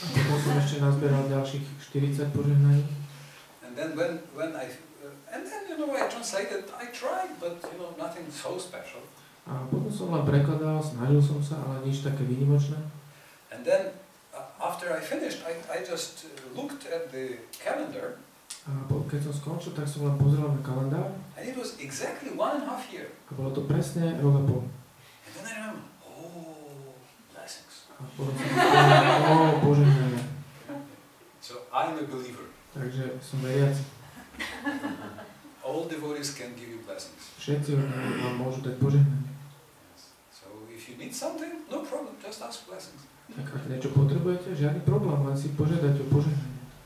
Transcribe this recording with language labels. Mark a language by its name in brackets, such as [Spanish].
[Slovak] Potom ešte nazbieral ďalších 40 požehnaní. [English] And then when I and then you know I translated, I tried, but you know nothing so special. [Slovak] A potom som len prekladal, snažil som sa, ale nič také výnimočné. [English] And then after I finished, I just looked at the calendar. [Slovak] A keď som skončil, tak som len pozrel na kalendár. [English] And it was exactly 1.5 year. [Slovak] A bolo to presne rok a pol. [English] And then I remember, [Slovak] oh, Bože, nie. [English] So I'm a believer. [Slovak] Takže som veriaci. [English] All devotees can give you blessings. [Slovak] Všetci vám môžu dať požehnanie. [English] So if you need something, no problem, just ask blessings. [Slovak] Tak ak niečo potrebujete, žiadny problém, len si požiadať o požehnanie.